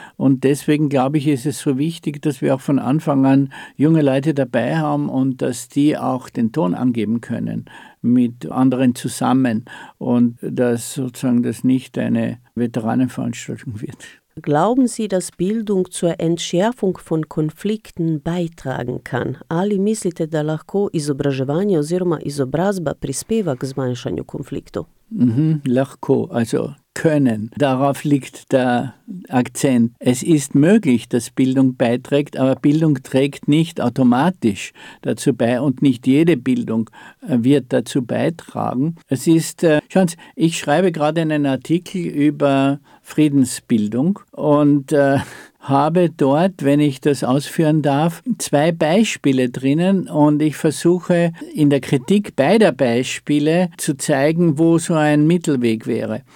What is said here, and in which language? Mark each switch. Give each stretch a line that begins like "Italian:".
German: Und deswegen, glaube ich, ist es so wichtig, dass wir auch von Anfang an junge Leute dabei haben und dass die auch den Ton angeben können mit anderen zusammen und dass sozusagen das nicht eine Veteranenveranstaltung wird. Glauben Sie, dass Bildung zur Entschärfung von Konflikten beitragen kann?
Slovenian: Ali mislite da lahko izobraževanje oziroma izobrazba prispeva k zmanjšanju konfliktu? Lahko,
German: also können. Darauf liegt der Akzent. Es ist möglich, dass Bildung beiträgt, aber Bildung trägt nicht automatisch dazu bei und nicht jede Bildung wird dazu beitragen. Es ist, schauen Sie, ich schreibe gerade einen Artikel über Friedensbildung und habe dort, wenn ich das ausführen darf, zwei Beispiele drinnen und ich versuche in der Kritik beider Beispiele zu zeigen, wo so ein Mittelweg wäre.